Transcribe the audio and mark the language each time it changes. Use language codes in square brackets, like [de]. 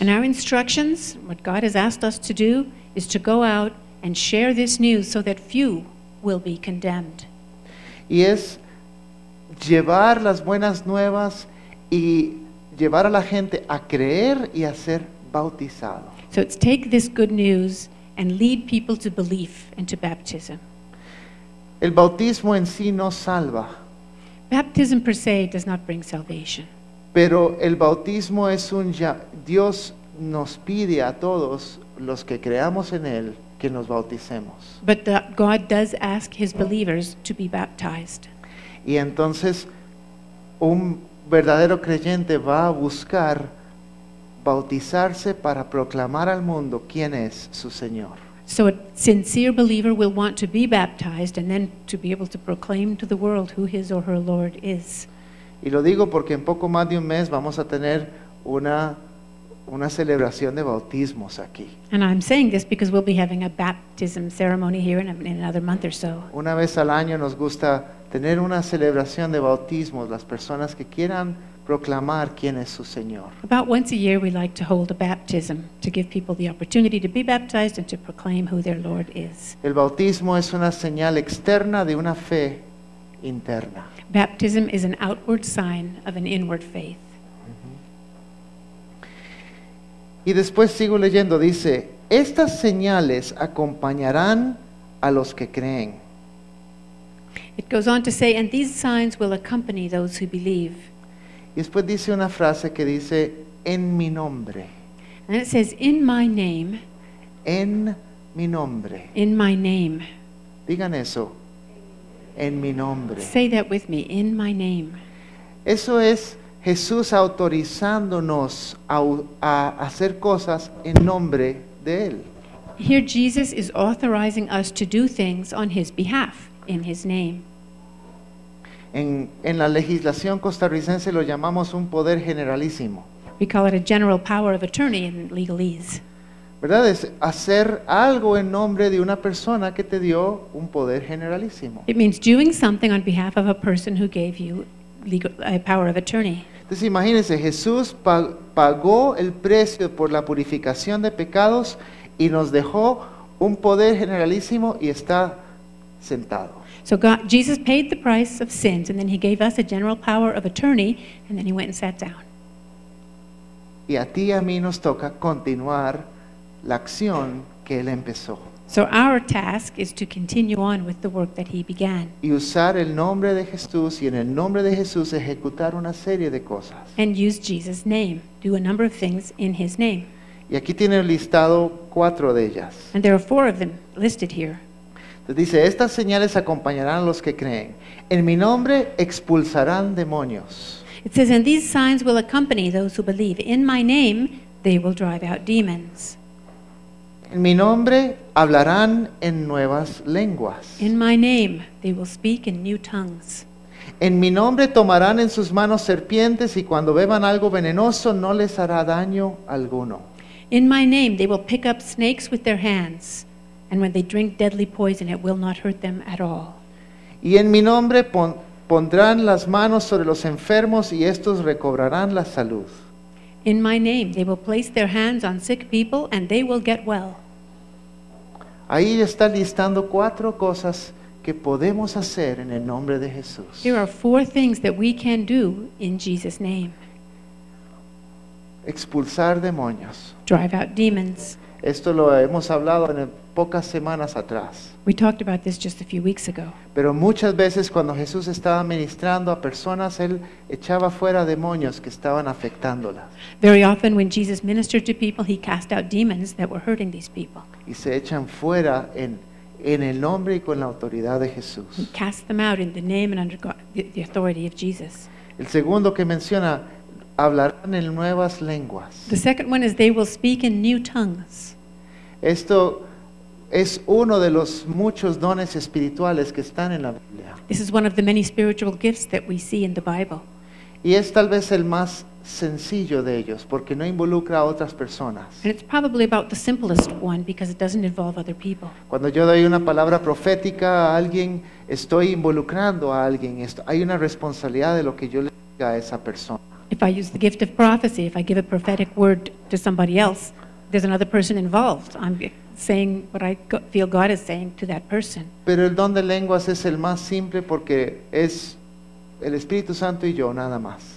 [en] And our instructions, what God has asked us to do, is to go out and share this news so that few will be condemned. [es] Y es llevar las buenas nuevas y llevar a la gente a creer y a ser bautizado. [en] So it's take this good news and lead people to belief and to baptism. [es] El bautismo en sí no salva. [en] Baptism per se does not bring salvation. [es] Pero el bautismo es un Dios nos pide a todos los que creamos en él que nos bauticemos. [en] But God does ask his believers to be baptized. [es] Y entonces un verdadero creyente va a buscar bautizarse para proclamar al mundo quién es su Señor. [en] So a sincere believer will want to be baptized and then to be able to proclaim to the world who his or her Lord is. [es] Y lo digo porque en poco más de un mes vamos a tener una una celebración de bautismos aquí. [en] And I'm saying this because we'll be having a baptism ceremony here in another month or so. [es] Una vez al año nos gusta tener una celebración de bautismos, las personas que quieran proclamar quién es su Señor. [en] About once a year we like to hold a baptism to give people the opportunity to be baptized and to proclaim who their Lord is. [es] El bautismo es una señal externa de una fe interna. [en] Baptism is an outward sign of an inward faith. [es] Y después sigo leyendo, dice, estas señales acompañarán a los que creen. [en] It goes on to say, and these signs will accompany those who believe. [es] Y después dice una frase que dice, en mi nombre. [en] And it says, in my name. [es] En mi nombre. [en] In my name. [es] Digan eso, en mi nombre. [en] Say that with me, in my name. [es] Eso es Jesús autorizándonos a hacer cosas en nombre de Él. [en] Here Jesus is authorizing us to do things on His behalf, in His name. [es] En la legislación costarricense lo llamamos un poder generalísimo. [en] We call it a general power of attorney in legalese. [es] ¿Verdad? Es hacer algo en nombre de una persona que te dio un poder generalísimo. [en] It means doing something on behalf of a person who gave you power of attorney. [es] Entonces imagínense, Jesús pagó el precio por la purificación de pecados y nos dejó un poder generalísimo y está sentado. [en] So God, Jesus paid the price of sins and then he gave us a general power of attorney and then he went and sat down. [es] Y a ti y a mí nos toca continuar la acción que él empezó. [en] So our task is to continue on with the work that he began. [es] Y usar el nombre de Jesús y en el nombre de Jesús ejecutar una serie de cosas. [en] And use Jesus' name. Do a number of things in his name. [es] Y aquí tiene listado cuatro de ellas. [en] And there are four of them listed here. [es] Entonces dice, estas señales acompañarán a los que creen. En mi nombre expulsarán demonios. [en] It says, and these signs will accompany those who believe. In my name, they will drive out demons. [es] En mi nombre hablarán en nuevas lenguas. [en] In my name they will speak in new tongues. [es] En mi nombre tomarán en sus manos serpientes y cuando beban algo venenoso no les hará daño alguno. [en] In my name they will pick up snakes with their hands and when they drink deadly poison it will not hurt them at all. [es] Y en mi nombre pondrán las manos sobre los enfermos y estos recobrarán la salud. [en] In my name, they will place their hands on sick people and they will get well. [es] Ahí está listando cuatro cosas que podemos hacer en el nombre de Jesús. [en] There are four things that we can do in Jesus' name. [es] Expulsar demonios. [en] Drive out demons. [es] Esto lo hemos hablado en pocas semanas atrás. [en] We talked about this just a few weeks ago. [es] Pero muchas veces cuando Jesús estaba ministrando a personas, él echaba fuera demonios que estaban afectándolas. [en] Very often when Jesus ministered to people, he cast out demons that were hurting these people. [es] Y se echan fuera en el nombre y con la autoridad de Jesús. [en] He cast them out in the name and under the authority of Jesus. [es] El segundo que menciona, hablarán en nuevas lenguas. [en] The second one is they will speak in new tongues. [es] Esto es uno de los muchos dones espirituales que están en la Biblia. [en] This is one of the many spiritual gifts that we see in the Bible. [es] Y es tal vez el más sencillo de ellos porque no involucra a otras personas. [en] And it's probably about the simplest one because it doesn't involve other people. [es] Cuando yo doy una palabra profética a alguien, estoy involucrando a alguien. Hay una responsabilidad de lo que yo le diga a esa persona. [en] If I use the gift of prophecy, if I give a prophetic word to somebody else, there's another person involved. I'm saying what I feel God is saying to that person. [es] Pero el don de lenguas es el más simple porque es el Espíritu Santo y yo, nada más.